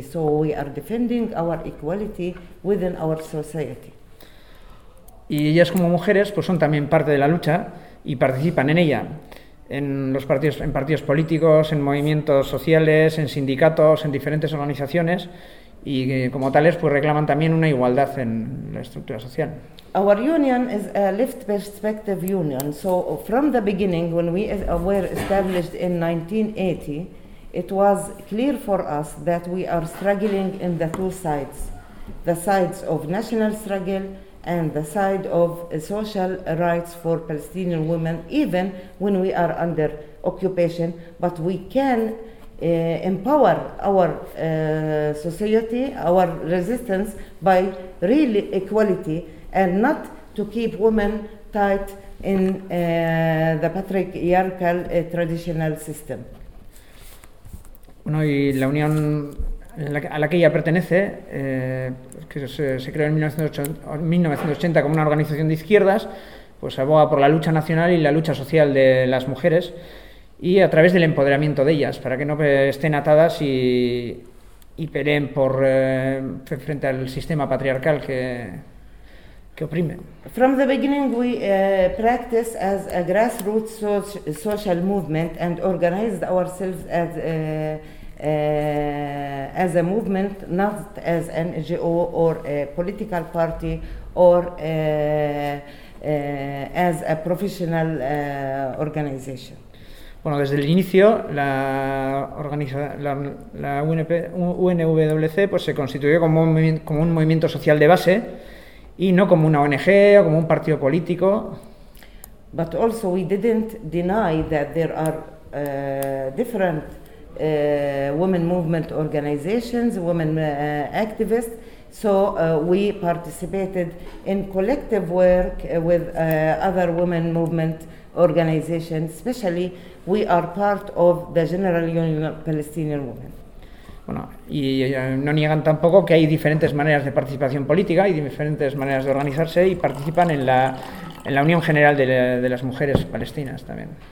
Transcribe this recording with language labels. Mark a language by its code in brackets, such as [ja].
[en] So we are defending our equality within our society. [es] Y ellas como mujeres pues son también parte de la lucha y participan en ella, en partidos políticos, en movimientos sociales, en sindicatos, en diferentes organizaciones, y como tales pues reclaman también una igualdad en la estructura social. [en] Our union is a left perspective union. So from the beginning, when we were established in 1980, it was clear for us that we are struggling in the two sides, the sides of national struggle and the side of social rights for Palestinian women, even when we are under occupation. But we can empower our society, our resistance, by real equality, and not to keep women tight in the patriarchal traditional system. [es] Bueno, y la unión a la que ella pertenece, que se creó en 1980 como una organización de izquierdas, pues aboga por la lucha nacional y la lucha social de las mujeres y a través del empoderamiento de ellas, para que no estén atadas y peleen por frente al sistema patriarcal que oprime. [en] From the beginning we practice as a grassroots social movement and organized ourselves as a movement, not as an NGO or a political party or as a professional organization. [es] Bueno, desde el inicio la UNWC pues se constituyó como un movimiento social de base y no como una ONG o como un partido político. [en] But also we didn't deny that there are different women movement organizations, women activists. So we participated in collective work with other women movement organizations. Especially, we are part of the General Union of Palestinian Women. [es] Bueno, y no niegan tampoco que hay diferentes maneras de participación política y diferentes maneras de organizarse y participan en la Unión General de las Mujeres Palestinas también.